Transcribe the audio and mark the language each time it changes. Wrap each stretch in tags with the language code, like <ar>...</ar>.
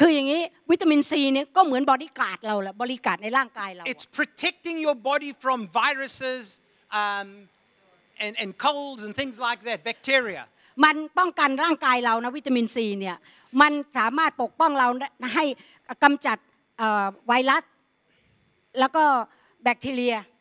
<th>คืออย่างนี้วิตามินซีเนี่ยก็เหมือนบอดี้การ์ดเราแหละบริการในร่างกายเรา</th> <en>It's protecting your body from virusesand colds and things like that bacteria</en> <th>มันป้องกันร่างกายเรานะวิตามินซีเนี่ยมันสามารถปกป้องเราให้กำจัดไวรัสแล้วก็แบคทีเรีย</th>